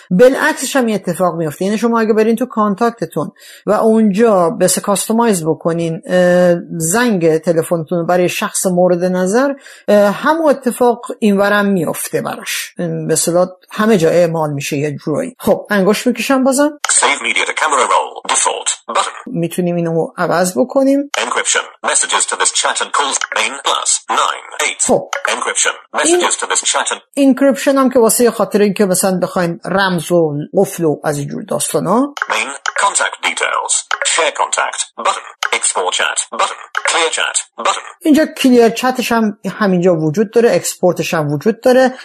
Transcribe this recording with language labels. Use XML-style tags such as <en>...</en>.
<fa>بالعکسش هم یه اتفاق میفته، یعنی شما اگه برین تو کانتاکتتون و اونجا بس کاستومایز بکنین زنگ تلفنتون برای شخص مورد نظر، همون اتفاق اینورم میفته براش، به اصطلاح همه جا اعمال میشه یه جورایی. خب انگشت میکشم بازم.</fa> <en>Save media to camera roll. Default. Button.</en> <fa>میتونیم اینو عوض بکنیم.</fa> <en>Encryption. Messages to this chat and calls. Main. Plus. 9. 8.</en> <fa>خب.</fa> <en>Encryption. Messages to this chat and...</en> <fa>Encryption هم که واسه خاطر این که مثلا بخواین رمز و قفل و از اینجور داستانا.</fa> <en>Main. Contact details. Share contact. Button. Export chat. Button. Clear chat. Button.</en> <fa>اینجا clear chatش هم همینجا وجود داره. Exportش هم وجود داره.</fa>